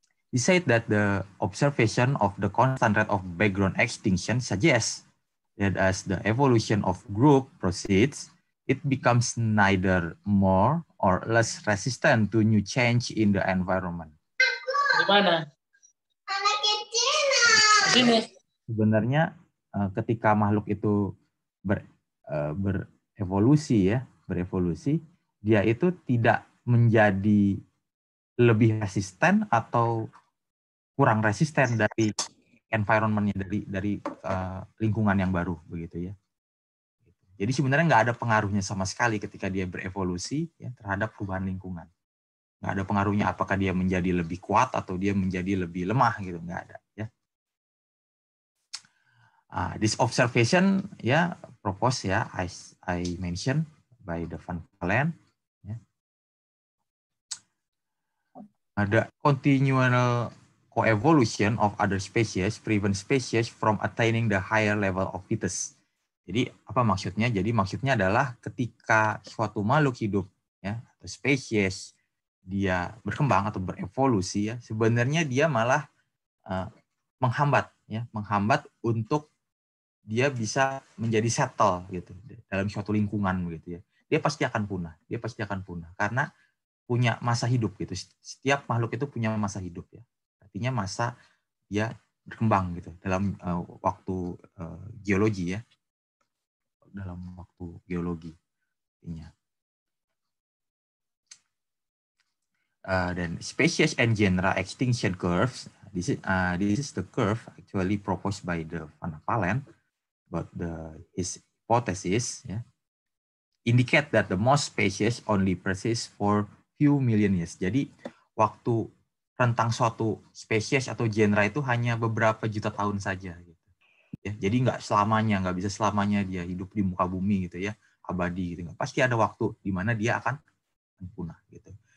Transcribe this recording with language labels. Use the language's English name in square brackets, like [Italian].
[English] He said that the observation of the constant rate of background extinction suggests that as the evolution of group proceeds, it becomes neither more or less resistant to new change in the environment. [Indonesian] Di mana? Anak kecil. Di sini. Sebenarnya ketika makhluk itu berevolusi, dia itu tidak menjadi lebih resisten atau kurang resisten dari environment-nya, dari lingkungan yang baru, begitu, ya. Jadi sebenarnya nggak ada pengaruhnya sama sekali ketika dia berevolusi, ya, terhadap perubahan lingkungan. Nggak ada pengaruhnya apakah dia menjadi lebih kuat atau dia menjadi lebih lemah, gitu, nggak ada. Ya. [English] This observation, yeah, proposed, yeah, as I mentioned by the Van Kalen. The continual coevolution of other species prevent species from attaining the higher level of fitness. [Indonesian] Jadi apa maksudnya? Jadi maksudnya adalah ketika suatu makhluk hidup, ya, atau species dia berkembang atau berevolusi, ya, sebenarnya dia malah menghambat, ya, menghambat untuk dia bisa menjadi settle gitu dalam suatu lingkungan gitu ya. Dia pasti akan punah karena punya masa hidup gitu. Setiap makhluk itu punya masa hidup ya. Artinya masa dia berkembang gitu dalam waktu geologi ya. Dalam waktu geologi artinya. Dan [English] species and genera extinction curves. This is the curve actually proposed by the Van Kalen, but his hypothesis yeah, indicate that the most species only persist for few million years. [Indonesian] Jadi waktu rentang suatu species atau genera itu hanya beberapa juta tahun saja. Gitu. Ya, jadi nggak bisa selamanya dia hidup di muka bumi gitu ya, abadi gitu. Nggak. Pasti ada waktu di mana dia akan punah gitu.